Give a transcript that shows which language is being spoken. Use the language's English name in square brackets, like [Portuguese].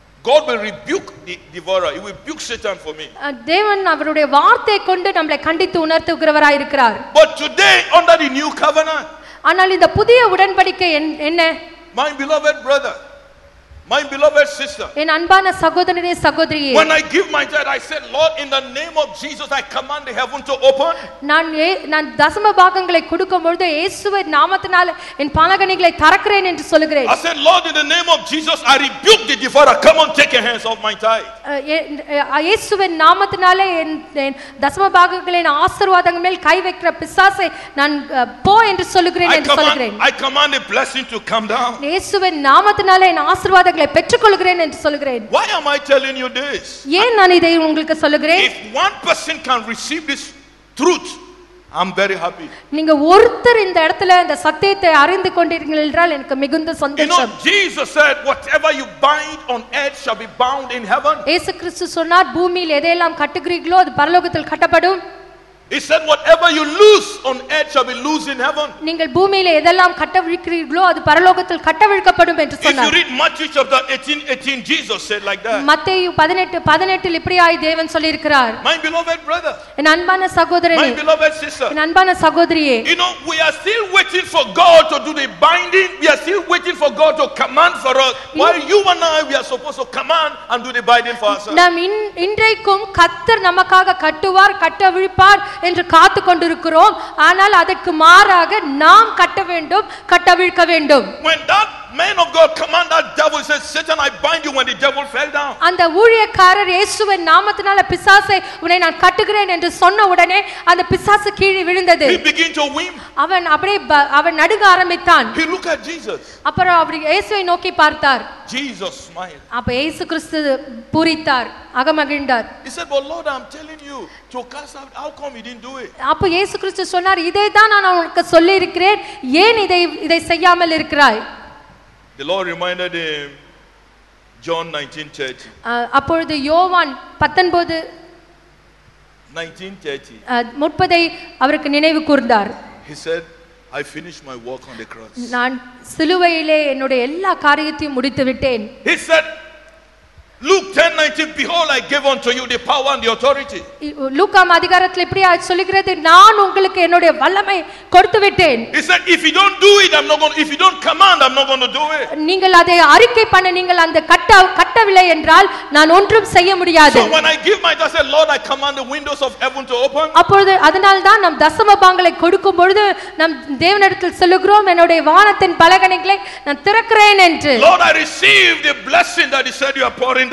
[English] God will rebuke the devourer. He will rebuke Satan for me. [Tamil] தேவன் அவருடைய வார்த்தை கொண்டு நம்மளை கண்டித்து உணர்த்துகிறவராய் இருக்கிறார். [English] But today under the new covenant, [Tamil] ஆனால் இந்த புதிய உடன்படிக்கை என்ன? [English] My beloved brother, my beloved sister, [Tamil] என் அன்பான சகோதரனே, சகோதரியே, [English] when I give my tithe, I said, Lord, in the name of Jesus, I command the heaven to open. [Tamil] நான் தசம பாகங்களை கொடுக்கும்பொழுது இயேசுவின் நாமத்தினால் என் பலகணிகளை தரக்கிறேன் என்று சொல்கிறேன். [English] I said, Lord, in the name of Jesus, I rebuke the devourer. Come on, take your hands off my tithe. [Tamil] இயேசுவின் நாமத்தினால் என் தசம பாகங்களின் ஆசீர்வாதங்கள் மேல் கை வைக்கிற பிசாசை நான் போ என்று சொல்கிறேன் என்று சொல்கிறேன். [English] I command a blessing to come down. [Tamil] இயேசுவின் நாமத்தினால் என் ஆசீர்வாதம் பெற்றுக்கொள்கிறேன் என்று சொல்கிறேன். [English] Why am I telling you this? [Tamil] ஏன் நான் இதை உங்களுக்கு சொல்கிறேன்? [English] If one person can receive this truth, I'm very happy. [Tamil] நீங்க ஒருத்தர் இந்த இடத்துல இந்த சத்தியத்தை அறிந்து கொண்டீர்கள் என்றால் எனக்கு மிகுந்த சந்தோஷம். [English] You know, Jesus said, whatever you bind on earth shall be bound in heaven. [Tamil] இயேசு கிறிஸ்து சொன்னார், பூமியில் எதையெல்லாம் கட்டுகிறீர்களோ அது பரலோகத்தில் கட்டப்படும். [English] He said, whatever you lose on earth shall be loosed in heaven. [Tamil] நீங்கள் பூமியில் எதெல்லாம் கட்டவிழ்க்கிறீர்களோ அது பரலோகத்தில் கட்டவிழ்க்கப்படும் என்று சொன்னார். [English] If you read Matthew chapter 18:18, Jesus said like that. [Tamil] மத்தேயு 18:18 இப்படியாய் தேவன் சொல்லியிருக்கிறார். [English] My beloved brother, [Tamil] என் அன்பான சகோதரனே, [English] my beloved sister, [Tamil] என் அன்பான சகோதரியே, [English] you know, we are still waiting for God to do the binding. We are still waiting for God to command for us. While you and I, we are supposed to command and do the binding for ourselves. [Tamil] நாம் இன்றைக்கும் கர்த்தர் நமக்காக கட்டுவார், கட்டவிழ்ப்பார் என்று காத்து கொண்டிருக்கிறோம். ஆனால் அதற்கு மாறாக நாம் கட்ட வேண்டும், கட்டவிழ்க்க வேண்டும். [English] When that man of God commanded that devil, says, Satan, I bind you, when the devil fell down. [Tamil] அந்த ஊழியக்காரர் இயேசுவின் நாமத்தினால பிசாசை உன்னை நான் கட்டுகிறேன் என்று சொன்ன உடனே அந்த பிசாசு கீழே விழுந்தது. [English] He began to weep. [Tamil] அவன் அப்படியே அவன் நடுங்க ஆரம்பித்தான். [English] He looked at Jesus. [Tamil] அப்புறம் அவர் இயேசுவை நோக்கி பார்த்தார். [English] Jesus smiled. [Tamil] அப்ப இயேசு கிறிஸ்து பூரித்தார், அகமகிழ்ந்தார். [English] He said, but Lord, I'm telling you to cast out, how come you didn't do it? [Tamil] அப்ப இயேசு கிறிஸ்து சொன்னார், இதே தான் நான் உங்களுக்கு சொல்லி இருக்கிறேன், ஏன் இதை செய்யாமல் இருக்கிறாய்? [English] The Lord reminded him, John 19:30. [Tamil] அப்பொழுது யோவான் 19:30 முப்பதை அவருக்கு நினைவு கூர்ந்தார். [English] He said, I finished my work on the cross. [Tamil] நான் சிலுவையிலே என்னுடைய எல்லா காரியத்தையும் முடித்து விட்டேன். [English] He said, Luke 10:19, behold, I give unto you the power and the authority. [Tamil] லூக்கா அதிகாரத்தில் இப்படி சொல்கிறது, நான் உங்களுக்கு என்னுடைய வல்லமை கொடுத்து விட்டேன். [English] He said, if you don't do it, I'm not going to, if you don't command, I'm not going to do it. [Tamil] நீங்கள் அதை அறிக்கை பண்ண நீங்கள் அந்த கட்டவில்லை என்றால் நான் ஒன்றும் செய்ய முடியாது. [English] So when I give my tithe, Lord, I command the windows of heaven to open. [Tamil] அப்பொழுது அதனால் தான் நம் தசம பாகங்களை கொடுக்கும் பொழுது நம் தேவனிடத்தில் செல்லுகிறோம், என்னுடைய வானத்தின் பலகணிகளை நான் திறக்கிறேன் என்று. [English] Lord, I receive the blessing that you said you are pouring